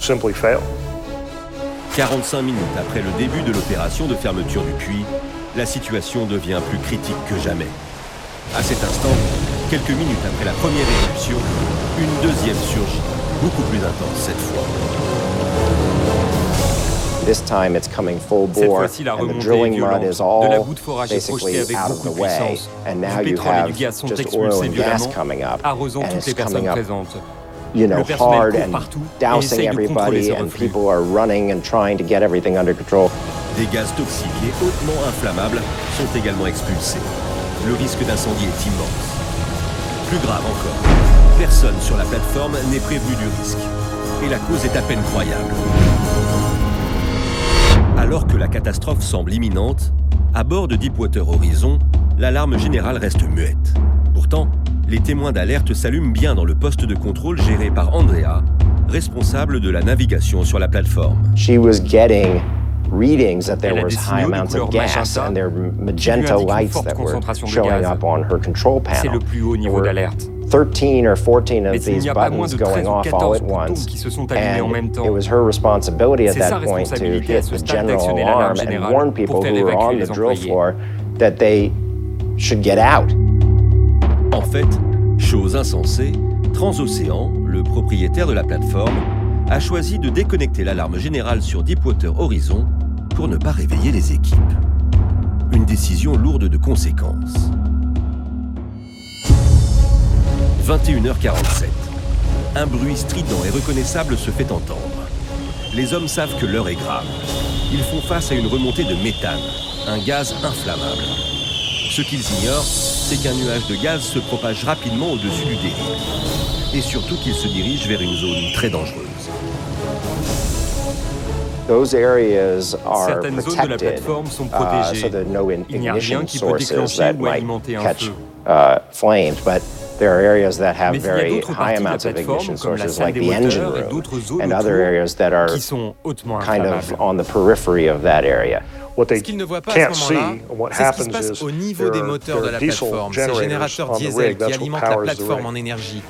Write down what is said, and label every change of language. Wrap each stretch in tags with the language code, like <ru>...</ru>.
<fr>45 minutes après le début de l'opération de fermeture du puits, la situation devient plus critique que jamais. À cet instant, quelques minutes après la première éruption, une deuxième surgit, beaucoup plus intense cette fois.</fr> <en>This time it's coming full bore, and the drilling mud is all basically out of the way, and now you have just oil and gas coming up, and it's coming up, you know, hard and dousing everybody, and people are running and trying to get everything under control.</en> <fr>Des gaz toxiques et hautement inflammables sont également expulsés. Le risque d'incendie est immense. Plus grave encore, personne sur la plateforme n'est prévenu du risque, et la cause est à peine croyable. Alors que la catastrophe semble imminente, à bord de Deepwater Horizon, l'alarme générale reste muette. Pourtant, les témoins d'alerte s'allument bien dans le poste de contrôle géré par Andrea, responsable de la navigation sur la plateforme.</fr> <en>She was getting readings that there was high amounts of gas and there magenta lights that were showing up on her control panel.</en> <fr>C'est le plus haut niveau d'alerte.</fr> <en>13 or 14 of these buttons going off all at once, and it was her responsibility at that point to hit the general alarm and warn people who were on the drill floor that they should get out.</en> <fr>En fait, chose insensée, Transocean, le propriétaire de la plateforme, a choisi de déconnecter l'alarme générale sur Deepwater Horizon pour ne pas réveiller les équipes. Une décision lourde de conséquences. 21h47. Un bruit strident et reconnaissable se fait entendre. Les hommes savent que l'heure est grave. Ils font face à une remontée de méthane, un gaz inflammable. Ce qu'ils ignorent, c'est qu'un nuage de gaz se propage rapidement au-dessus du débris. Et surtout qu'il se dirige vers une zone très dangereuse.</fr> <en>Those areas are</en> <fr>certaines zones</fr> <en>protected.</en> <fr>De la plateforme sont protégées. Il n'y a rien qui peut déclencher ou alimenter un</fr> <en>catch,</en> <fr>feu.</fr> <en>Flames, but there are areas that have very high amounts of ignition sources, like the engine room, and other areas that are kind of on the periphery of that area. What they can't see, what happens is there are diesel generators on the rig that will power the rig.</en>